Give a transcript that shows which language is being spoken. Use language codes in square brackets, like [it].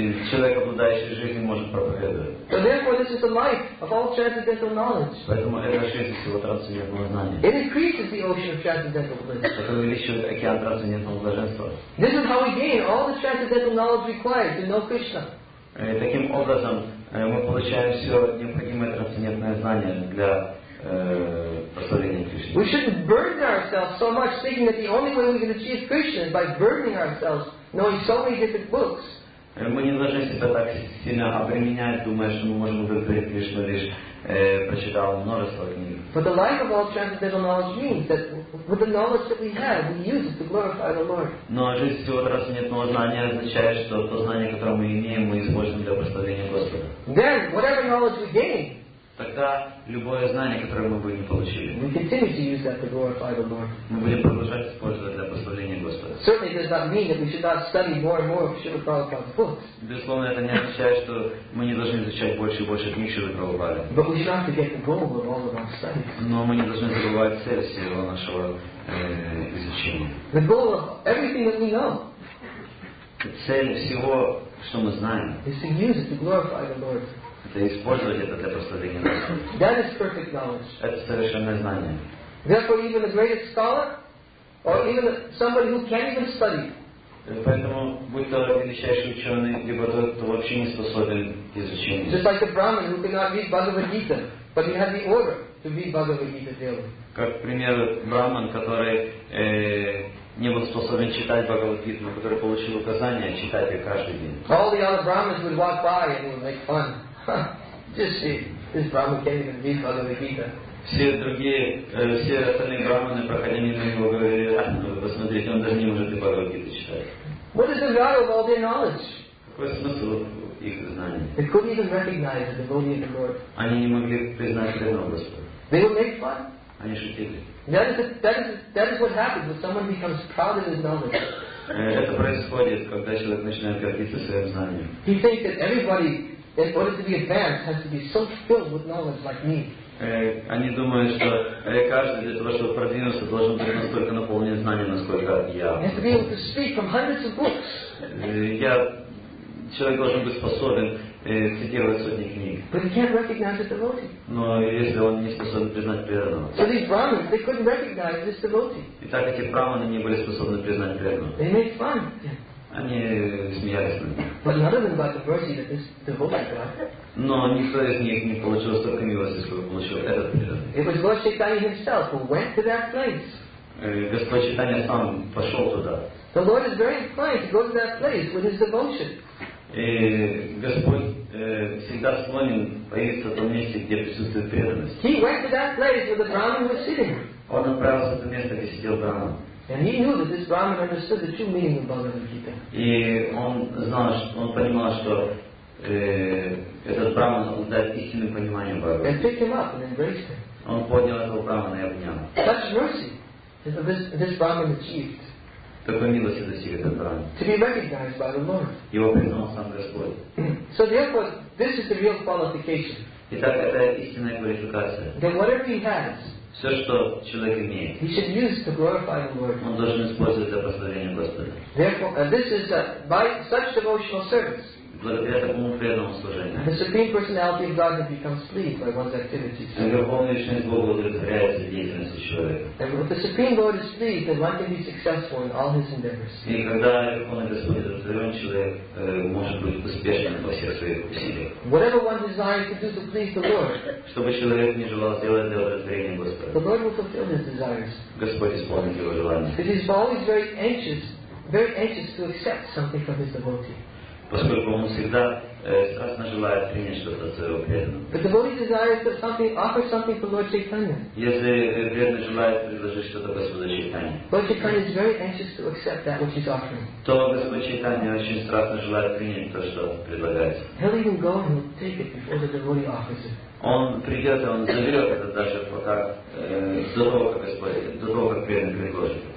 [ru] Человек, обладающий жизнью, может проповедовать. [en] So therefore, this is the life of all transcendental knowledge. [ru] Поэтому это жизнь всего трансцендентного знания. [en] It increases the ocean of transcendental bliss. [ru] Это увеличивает океан трансцендентного блаженства. [en] This is how we gain all the transcendental knowledge required to know Krishna. [ru] Таким образом, мы получаем все необходимое трансцендентное знание для [en] We shouldn't burden ourselves so much thinking that the only way we can achieve Krishna is by burdening ourselves knowing so many different books. [ru] Мы не должны себя так сильно обременять, думая, что мы можем удовлетворить Кришну, лишь прочитав множество книг. [en] But the life of all transcendental knowledge means that with the knowledge that we have, we use it to glorify the Lord. [ru] Но жизнь всего трансцендентного знания означает, что то знание, которое мы имеем, мы используем для прославления Господа. [en] Then, whatever knowledge we gain, [ru] тогда любое знание, которое мы будем получили, [en] we continue to use that to glorify the Lord. [ru] Мы будем продолжать использовать для прославления Господа. [en] Certainly does not mean that we should not study more and more of Srila Prabhupada's books. [ru] Безусловно, это не означает, что мы не должны изучать больше и больше книг Шрилы Прабхупады. [en] But we should not forget the goal of all of our studies. [ru] Но мы не должны забывать цель всего нашего изучения. [en] The goal of everything that we know. [ru] Цель всего, что мы знаем, [en] is to use it to glorify the Lord. [ru] Это использовать это для прославления Господа. Это совершенное знание. [en] Therefore, even the greatest scholar, or even somebody who can't even study. [ru] Поэтому будь то величайший ученый, либо тот, кто вообще не способен к изучению. [en] Just like the Brahmin who cannot read Bhagavad Gita, but he had the order to read Bhagavad Gita daily. [ru] Как пример Брахман, который не был способен читать Бхагавад Гиту, но который получил указание читать ее каждый день. [en] All the other Brahmins would walk by and would make fun. Just see, this Brahman can't even read Bhagavad Gita. [ru] Все другие, все остальные Брахманы проходили на него, говорили, посмотрите, он даже не может и Бхагавад Гиту читать. [en] What is the value of all their knowledge? [ru] Какой смысл их знаний? [en] They couldn't even recognize the devotee of the Lord. [ru] Они не могли признать преданного Господа. [en] They would make fun. [ru] Они шутили. [en] That is what happens when someone becomes proud of his knowledge. [ru] Это происходит, когда человек начинает гордиться своим знанием. [en] He thinks that everybody, in order to be advanced, has to be so filled with knowledge like me. [ru] Они думают, что каждый для того, чтобы продвинуться, должен быть настолько наполнен знанием, насколько я. [en] And to be able to speak from hundreds of books. [ru] Человек должен быть способен цитировать сотни книг. [en] But he can't recognize the devotee. [ru] Но если он не способен признать преданного. [en] So these Brahmins, they couldn't recognize this devotee. [ru] Итак, эти Брахманы не были способны признать преданного. [en] They made fun. [ru] Они смеялись над ним. [en] But none of them got the mercy that this devotee got. [ru] Но никто из них не получил столько милости, сколько получил этот преданный. [en] It was Lord Chaitanya himself who went to that place. [ru] Господь Чайтанья сам пошел туда. [en] The Lord is very inclined to go to that place with his devotion. [ru] И Господь всегда склонен появиться в том месте, где присутствует преданность. [en] He went to that place where the Brahmin was sitting. [ru] Он отправился в то место, где сидел Брахман. [en] And he knew that this Brahmin understood the true meaning of Bhagavad Gita. [ru] И он знал, он понимал, что этот Брахман обладает истинным пониманием Бхагавад. [en] And picked him up and embraced him. [ru] Он поднял этого Брахмана и обнял. [en] Such mercy this Brahmin achieved. [ru] Такой милости достиг этот Брахман. [en] To be recognized by the Lord. [ru] Его признал сам Господь. [en] So therefore, this is the real qualification. [ru] Итак, это истинная квалификация. [en] Then whatever he has, [ru] все, что человек имеет, [en] he should use to glorify the Lord. [ru] Он должен использовать для прославления Господа. [en] Therefore, and this is by such devotional service. [ru] Благодаря такому преданному служению. [en] The Supreme Personality of Godhead becomes pleased by one's activities. [ru] И Верховная Личность Бога удовлетворяется деятельностью человека. [en] And if the Supreme Lord is pleased, then one can be successful in all his endeavors. [ru] И когда Верховный Господь удовлетворен, человек может быть успешным во всех своих усилиях. [en] Whatever one desires to do to please the Lord, [ru] чтобы человек не желал сделать для удовлетворения Господа, [en] the Lord will fulfill his desires. [ru] Господь исполнит его желание. [en] Because he is always very anxious to accept something from his devotee. [ru] Поскольку он всегда страстно желает принять что-то от своего преданного. [en] But the devotee desires to offer something to Lord Chaitanya. [ru] Если преданный желает предложить что-то Господу Чайтанье. [en] Lord Chaitanya is very anxious to accept that which he's offering. [ru] То Господь Чайтанья очень страстно желает принять то, что предлагается. [en] He'll even go and take it before the devotee offers it. [ru] Он придет и он заберет это даже подарок до того, как Господь, до того, как преданный предложит.